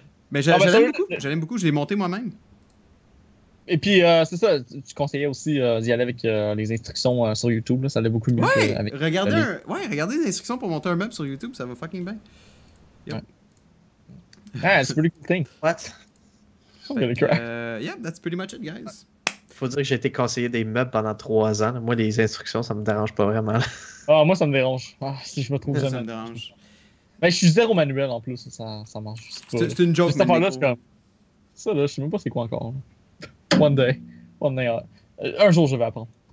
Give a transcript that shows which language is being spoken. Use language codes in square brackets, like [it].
[fr] Mais je l'aime beaucoup. Je l'ai monté moi-même. Et puis, c'est ça. Tu conseillais aussi d'y aller avec les instructions sur YouTube. Là. Ça allait beaucoup mieux. Ouais, avec, regardez les instructions pour monter un meuble sur YouTube. Ça va fucking bien. [en] Yep. [fr] Ouais. Ah, c'est [en] pretty cool thing. What? Yeah, that's pretty much it, guys. [fr] Faut dire que j'ai été conseiller des meubles pendant 3 ans. Moi, les instructions, ça me dérange pas vraiment. Ah, moi, ça me dérange. Ah, si je me trouve jamais. Ça me dérange. Ben, je suis zéro manuel en plus. Ça marche. C'est une joke. Cette là, comme... Ça, là, je sais même pas c'est quoi encore. [en] One day. [fr] Un jour, je vais apprendre.